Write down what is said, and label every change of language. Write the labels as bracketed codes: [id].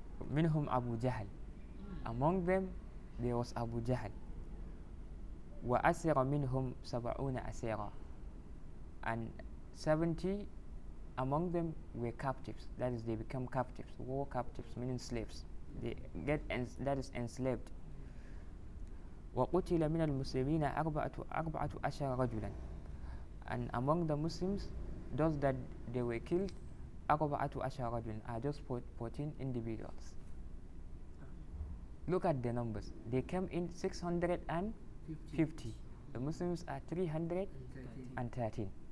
[ar] منهم أبو جهل. [en] Among them, there was Abu Jahl. [ar] وأسر منهم 70 أسيرا. [en] And 70 among them were captives. That is, they become captives, war captives, meaning slaves. They get enslaved. [ar] وقتل من المسلمين أربعة عشر رجلا. [en] And among the Muslims, those that they were killed, [ar] أربعة عشر رجلا, [en] are just 14 individuals. Look at the numbers. They came in 650. The Muslims are 313.